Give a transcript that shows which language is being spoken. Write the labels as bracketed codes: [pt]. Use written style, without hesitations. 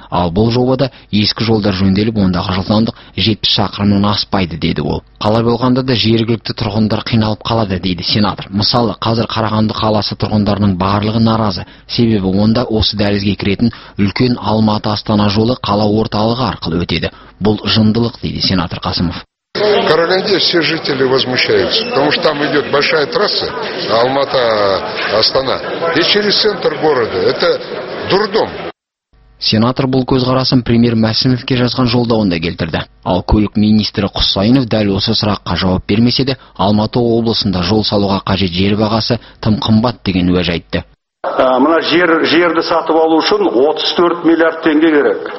[kk] Ал бұл жобада ескі жолдар жөнделіп, ондағы жылдамдық 70 шақырымнан аспайды, деді ол. Қалай болғанда да жергілікті тұрғындар қиналып қалады, дейді сенатор. Мысалы, қазір Қарағанды қаласы тұрғындарының барлығы наразы, себебі онда осы дәлізге кіретін үлкен Алматы-Астана жолы қала орталығы арқылы өтеді. Бұл жындылық, дейді сенатор Қасымов. [ru] В Караганде все жители возмущаются, потому что там идет большая трасса Алматы-Астана, и через центр города. Это дурдом. [kk] Сенатор бұл көзқарасын премьер Мәсімовке жазған жолдауында келтірді. Ал көлік министрі Құсайынов дәл осы сұраққа жауап бермесе де, Алматы облысында жол салуға қажет жер бағасы тым қымбат деген уәж айтты. Мына жерді сатып алу үшін 34 миллиард теңге керек.